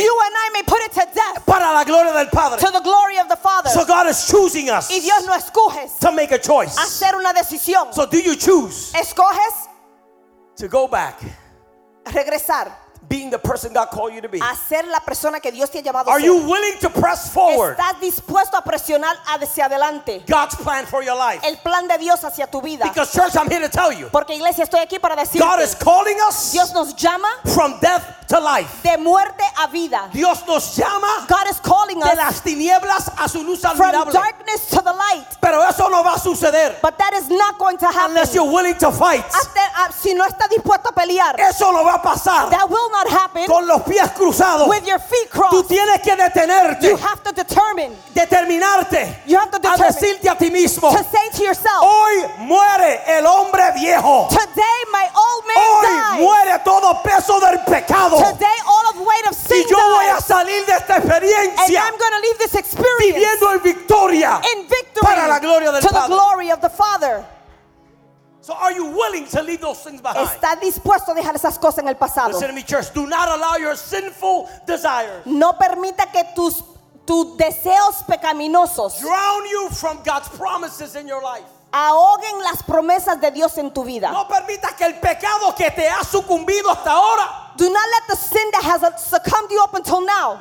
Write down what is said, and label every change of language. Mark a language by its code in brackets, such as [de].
[en] you and I may put it to death, [es] para la gloria del Padre, [en] to the glory of the Father. So God is choosing us, [es] y Dios nos escoge, [en] to make a choice, [es] hacer una decisión. [en] So do you choose, [es] escoges, [en] to go back, [es] regresar, [en] being the person God called you to be. [es] Hacer la persona que Dios te ha llamado. [en] Are you willing to press forward? [es] ¿Estás dispuesto a presionar hacia adelante? [en] God's plan for your life. [es] El plan de Dios hacia tu vida. [en] Because church, I'm here to tell you. [es] Porque iglesia, estoy aquí para decirte. [en] God is calling us. [es] Dios nos llama. [en] From death to life. [es] De muerte a vida. Dios nos llama. [en] God is calling us. [es] De las tinieblas a su luz admirable. [en] From darkness to the light. [es] Pero eso no va a suceder. [en] But that is not going to happen. Unless you're willing to fight. [es] Si no estás dispuesto a pelear. Eso no va a pasar. [en] That will not happen. [es] Con los pies cruzados. [en] With your feet crossed. [es] Tú tienes que detenerte. [en] You have to determine. [es] Determinarte. [en] You have to determine. [es] A decirte a ti mismo. [en] To say to yourself. [es] Hoy muere el hombre viejo. [en] Today my old man [es] hoy [en] dies. [es] Hoy muere todo peso del pecado. [en] Today all of weight of sin. [es] Y yo voy a salir de esta experiencia. [en] And I'm going to leave this experience. [es] Viviendo en victoria. [en] In victory. [es] Para la gloria del [en] to [es] Padre. [en] The glory of the Father. So are you willing to leave those things behind? [es] ¿Estás dispuesto a dejar esas cosas en el pasado? [en] Listen to me, church. Do not allow your sinful desires. [es] No permita que tus deseos pecaminosos [en] drown you from God's promises in your life. [es] Ahoguen las promesas de Dios en tu vida. No permita que el pecado que te ha sucumbido hasta ahora. [en] Do not let the sin that has succumbed you up until now